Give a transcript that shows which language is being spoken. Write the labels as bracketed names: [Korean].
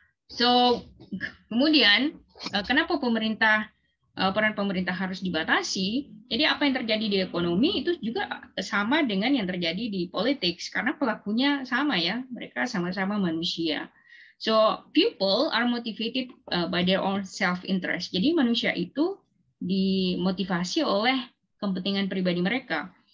[Indonesian] So, kemudian, kenapa pemerintah peran pemerintah harus dibatasi? Jadi apa yang terjadi di ekonomi itu juga sama dengan yang terjadi di politik, karena pelakunya sama ya, mereka sama-sama manusia. [English] So, people are motivated by their own self-interest. [Indonesian] Jadi manusia itu dimotivasi oleh kepentingan pribadi mereka.